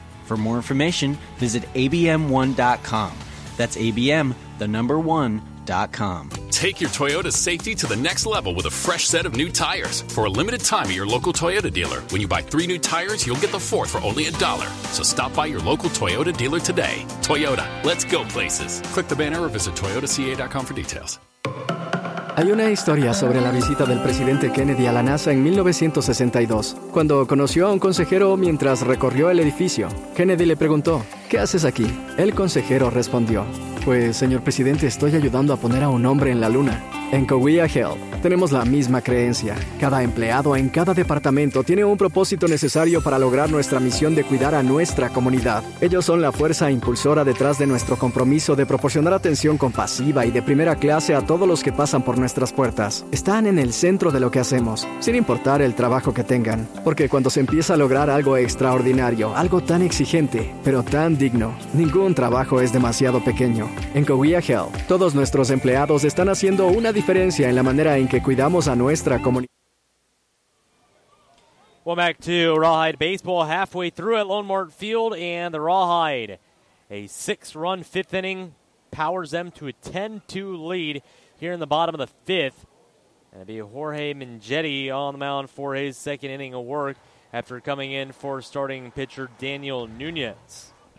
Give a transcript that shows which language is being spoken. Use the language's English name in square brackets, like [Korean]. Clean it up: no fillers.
[English] For more information, visit abm1.com. That's ABM, the number one. Take your Toyota safety to the next level with a fresh set of new tires. For a limited time at your local Toyota dealer, when you buy three new tires, you'll get the fourth for only a dollar. So stop by your local Toyota dealer today. Toyota, let's go places. Click the banner or visit toyotaca.com for details. [Spanish] Hay una historia sobre la visita del presidente Kennedy a la NASA en 1962, cuando conoció a un consejero mientras recorrió el edificio. Kennedy le preguntó, ¿qué haces aquí? El consejero respondió, pues, señor presidente, estoy ayudando a poner a un hombre en la luna. En Cowea Health tenemos la misma creencia. Cada empleado en cada departamento tiene un propósito necesario para lograr nuestra misión de cuidar a nuestra comunidad. Ellos son la fuerza impulsora detrás de nuestro compromiso de proporcionar atención compasiva y de primera clase a todos los que pasan por nuestras puertas. Están en el centro de lo que hacemos, sin importar el trabajo que tengan. Porque cuando se empieza a lograr algo extraordinario, algo tan exigente, pero tan digno, ningún trabajo es demasiado pequeño. En Cowea Health, todos nuestros empleados están haciendo una diferencia en la manera en que cuidamos a nuestra comunidad. [English] Welcome back to Rawhide Baseball, halfway through at Lone Mart Field, and the Rawhide, a six-run fifth inning powers them to a 10-2 lead here in the bottom of the fifth. And it'll be Jorge Mingetti on the mound for his second inning of work after coming in for starting pitcher Daniel Nunez.